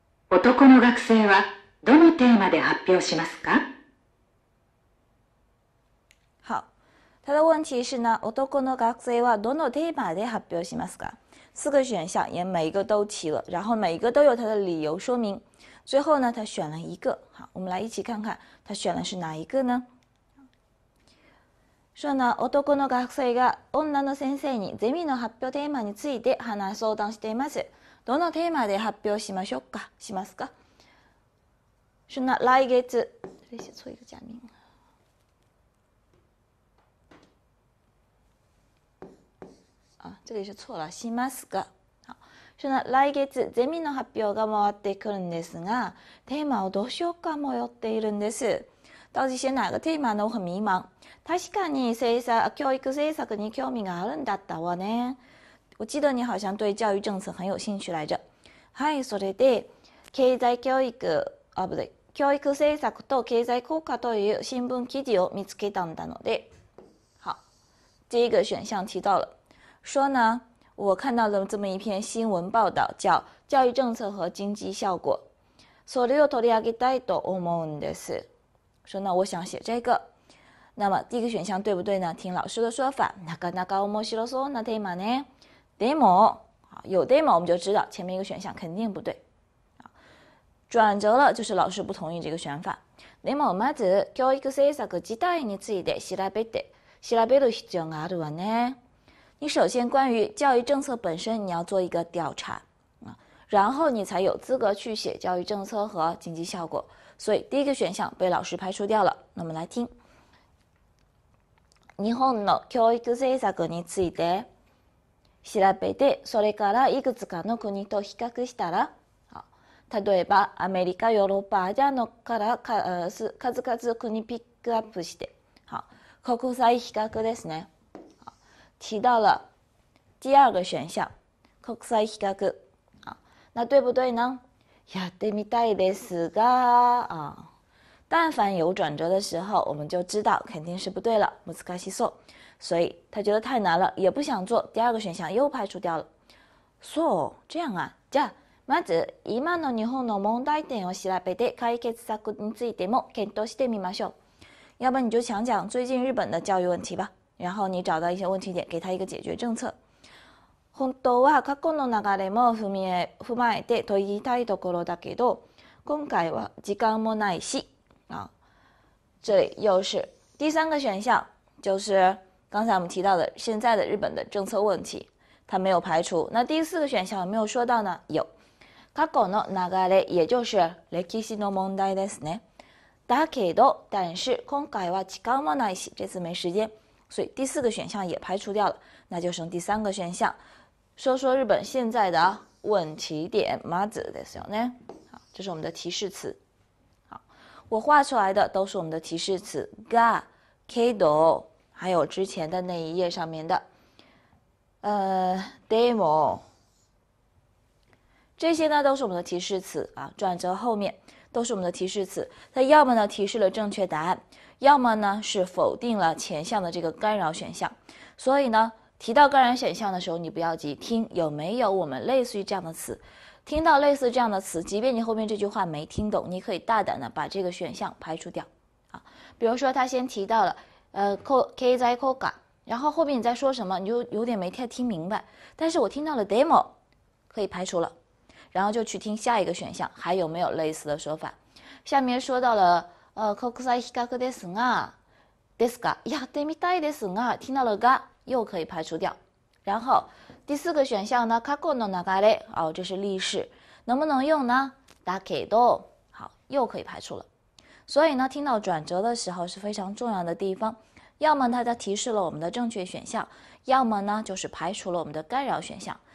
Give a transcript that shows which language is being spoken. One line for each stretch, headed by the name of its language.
Japanese: 男の学生はどのテーマで発表しますか？
Chinese: 他的问题是呢，
Japanese: 男の学生はどのテーマで発表しますか？
Chinese: 四个选项也每一个都提了，然后每一个都有他的理由说明。最后呢，他选了一个。好，我们来一起看看他选的是哪一个呢？说呢，
Japanese: 男の学生が女の先生にゼミの発表テーマについて話相談しています。どのテーマで発表しましょうか？しますか？
Chinese: 说呢，来月。这里写错一个假名。这里是错了，
Japanese: しますが。
Chinese: 好，说呢，
Japanese: 来月ゼミの発表が回ってくるんですが、テーマをどうしようか迷っているんです。
Chinese: 到底写哪个
Japanese: テーマの
Chinese: 很迷茫。
Japanese: 確かに教育政策に興味があるんだったわね。
Chinese: 我记得你好像对教育政策很有兴趣来着。
Japanese: はい、それで経済教育あ、
Chinese: 不对、
Japanese: 教育政策と経済効果という新聞記事を見つけたんだので。
Chinese: 好，这一个选项提到了。说呢，我看到了这么一篇新闻报道，叫《教育政策和经济效果》。
Japanese: それを取り上げたいと思うんです。
Chinese: 说呢，我想写这个。那么第一个选项对不对呢？听老师的说法，
Japanese: なかなか面白そうなテーマね。
Chinese: でも，有でも我们就知道前面一个选项肯定不对。转折了，就是老师不同意这个选法。
Japanese: でもまず教育政策自体について調べる必要があるわね。
Chinese: 你首先关于教育政策本身你要做一个调查，然后你才有资格去写教育政策和经济效果。所以第一个选项被老师排除掉了。那么来听。
Japanese: 日本の教育政策について調べて、それからいくつかの国と比較したら、例えばアメリカ、ヨーロッパ、アジアのから数々国ピックアップして、国際比較ですね。
Chinese: 提到了第二个选项，国際比較。那对不对呢？
Japanese: やってみたいですが，
Chinese: 但凡有转折的时候，我们就知道肯定是不对了。
Japanese: 難しそう，
Chinese: 所以他觉得太难了，也不想做。第二个选项又排除掉了。
Japanese: そう、
Chinese: 这样啊。
Japanese: じゃあまず今の日本の問題点を調べて解決策についても検討してみましょう。
Chinese: 要不你就想讲最近日本的教育问题吧。然后你找到一些问题点，给他一个解决政策。
Japanese: 本当は過去の流れも踏まえてと言いたいところだけど、今回は時間もないし。
Chinese: 这里又是第三个选项，就是刚才我们提到的现在的日本的政策问题，他没有排除。那第四个选项有没有说到呢？有。
Japanese: 過去の流れ，
Chinese: 也就是
Japanese: 歴史の問題ですね。だけど，
Chinese: 但是
Japanese: 今回は時間もないし，
Chinese: 这次没时间。所以第四个选项也排除掉了，那就剩第三个选项，说说日本现在的问题点。
Japanese: まずですよね。
Chinese: 好，这是我们的提示词。好，我画出来的都是我们的提示词。
Japanese: が、けど，
Chinese: 还有之前的那一页上面的，でも，这些呢都是我们的提示词啊。转折后面都是我们的提示词，它要么呢提示了正确答案。要么呢是否定了前项的这个干扰选项，所以呢提到干扰选项的时候，你不要急，听有没有我们类似于这样的词。听到类似这样的词，即便你后面这句话没听懂，你可以大胆的把这个选项排除掉。比如说他先提到了，経済効果，然后后面你在说什么，你就有点没太听明白。但是我听到了 demo， 可以排除了。然后就去听下一个选项，还有没有类似的说法？下面说到了，
Japanese: 国際比較ですが、ですが、やってみたいですが，
Chinese: 听到了
Japanese: が，
Chinese: 又可以排除掉。然后第四个选项呢，過去の流れ，哦，这是历史，能不能用呢？
Japanese: だけど，
Chinese: 好，又可以排除了。所以呢，听到转折的时候是非常重要的地方，要么它就提示了我们的正确选项，要么呢就是排除了我们的干扰选项。